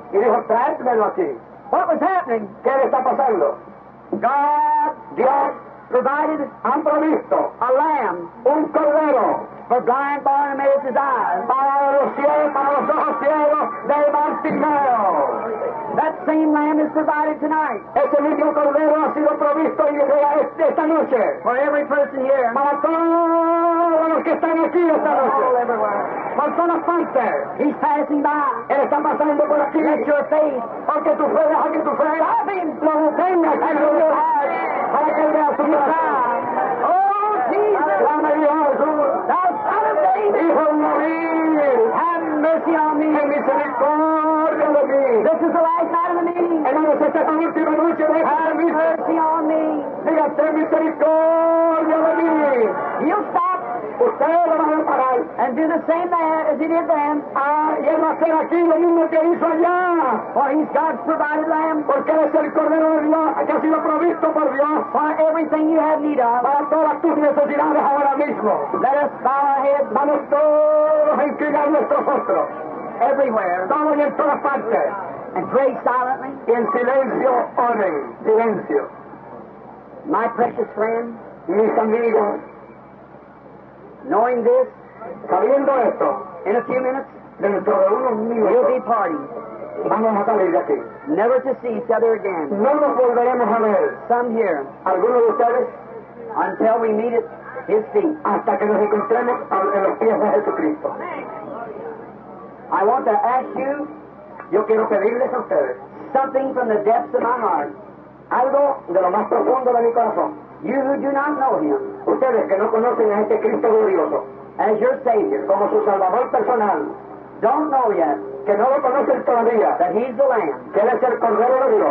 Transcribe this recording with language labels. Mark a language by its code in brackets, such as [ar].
[es] Y dijo, tráemelo aquí. [en] What was happening? [es] ¿Qué le está pasando? [en] God, [es] Dios, [en] provided, [es] han provisto, [en] a lamb, [es] un cordero, [en] for blind Bartimaeus' eyes, [es] para los ojos ciegos de Bartimaeo. [en] That same lamb is provided tonight. [es] Ese mismo cordero ha sido provisto y llega esta noche. [en] For every person here. [es] Para todos los que están aquí esta noche. [en] All everyone. [es] Por todas partes. [en] He's passing by. [es] Él está pasando por aquí. [en] Let your faith. [es] Porque tu fe, deja que tu fe. [en] Stop him. [es] Lo detenga. Para que él vea su vida. [en] Oh, Jesus. [es] Clama a Dios. [en] Thou son of David. [es] Hijo de David. [en] Have mercy on me. [es] Ten misericordia de mí. [en] This is the last night of the meeting. [es] Hermanos, esta es la última noche. [en] Have mercy on me. [es] Diga, ten misericordia de mí. [en] You stop. [es] Usted lo va a parar. [en] And do the same there as he did then. [es] Ah, y él va a hacer aquí lo mismo que hizo allá. [en] For he's God's provided lamb. [es] Porque él es el cordero de Dios que ha sido provisto por Dios. [en] For everything you have need of. [es] Para todas tus necesidades ahora mismo. [en] Let us bow our heads. [es] Vamos todos a inclinar nuestros rostros. [en] Everywhere. [es] Todo y en todas partes. [en] And pray silently. [es] Y en silencio oren. Silencio. [en] My precious friend. [es] Mis amigos. [en] Knowing this, [es] sabiendo esto, [en] in a few minutes, [es] dentro de unos minutos, [en] we'll be parting. [es] Vamos a salir de aquí. [en] Never to see each other again. [es] No nos volveremos a ver. [en] Some here. [es] Algunos de ustedes. [en] Until we meet at His feet. [es] Hasta que nos encontremos en los pies de Jesucristo. [en] I want to ask you. [es] Yo quiero pedirles a ustedes. [en] Something from the depths of my heart. [es] Algo de lo más profundo de mi corazón. [en] You who do not know Him. [es] Ustedes que no conocen a este Cristo glorioso. [en] As your Savior. [es] Como su Salvador personal. [en] Don't know yet. [es] Que no lo conocen todavía. [en] That He's the Lamb. [es] Que Él es el Cordero de Dios.